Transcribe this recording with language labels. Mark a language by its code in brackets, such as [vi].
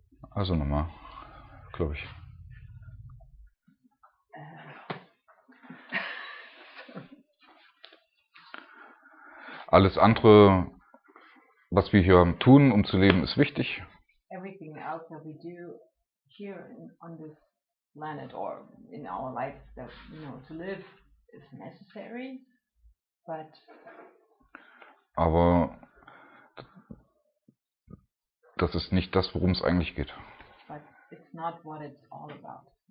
[de] Also nochmal, glaube ich. Alles andere, was wir hier tun, um zu leben, ist wichtig. [en] Everything else that we do here on this planet or in our life that you know to live is necessary, but. [de] Aber das ist nicht das, worum es eigentlich geht. [en] But it's not what it's all about.